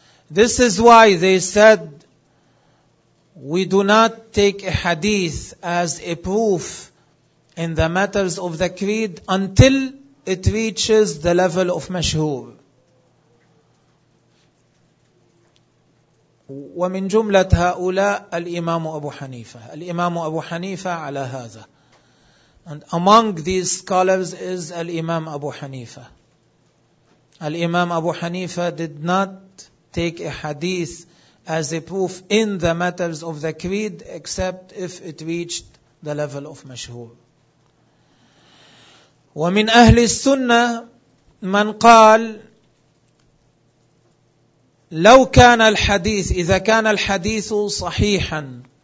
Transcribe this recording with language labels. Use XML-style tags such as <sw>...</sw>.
<en>This is why they said, we do not take a hadith as a proof in the matters of the creed until it reaches the level of mashhur.</en> <ar>ومن جملة هؤلاء الإمام أبو حنيفة. الإمام أبو حنيفة على هذا.</ar> <en>And among these scholars is الإمام أبو حنيفة. الإمام أبو حنيفة did not take a hadith as a proof in the matters of the creed except if it reached the level of مشهور.</en> <ar>ومن أهل السنة من قال لو كان الحديث إذا كان الحديث صحيحا</ar>